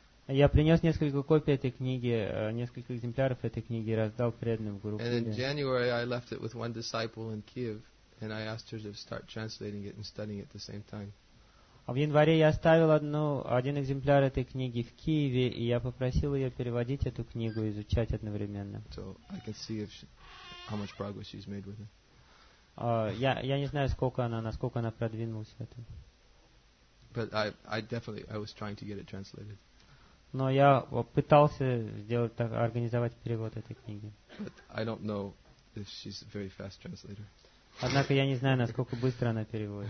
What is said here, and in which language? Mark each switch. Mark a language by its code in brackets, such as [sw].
[ru] Я принес несколько копий этой книги, несколько экземпляров этой книги, раздал преданным в Гурукуле. [en] And in January I left it with one disciple in Kiev, and I asked her to start translating it and studying it at the same time. [ru] В январе я оставил один экземпляр этой книги в Киеве, и я попросил ее переводить эту книгу и изучать одновременно. [en] So I can see how much progress she's made with it. [ru] Я не знаю, насколько она продвинулась в этом. [en] But I was trying to get it translated. [ru] Но я пытался организовать перевод этой книги. [en] But I don't know if she's a very fast translator. [ru] Однако я не знаю, насколько быстро она переводит.